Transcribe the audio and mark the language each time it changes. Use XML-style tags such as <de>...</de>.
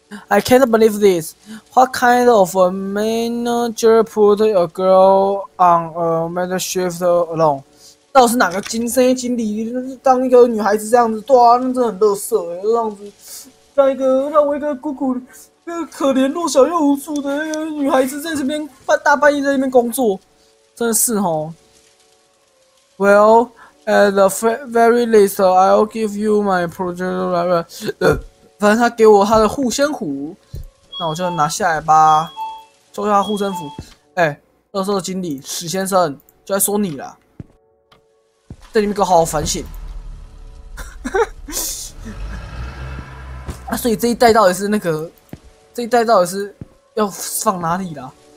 <en>I can't believe this. What kind of a manager put a girl on a night shift alone？</en> <zh>到底是哪个经理？经理当一个女孩子这样子，哇，那真的很垃圾哎，这样子，当一个让我一个孤苦。可怜弱小又无助的女孩子在这边大半夜在那边工作，真是齁。</zh> <en>Well, at the very least, I'll give you my project.</en> <zh>反正他给我他的护身符，那我就拿下来吧，收下护身符。哎，垃圾经理史先生，就在说你啦，在里面给我好好反省。啊，所以这一代到底是那个？这一代到底是要放哪里啦？</zh>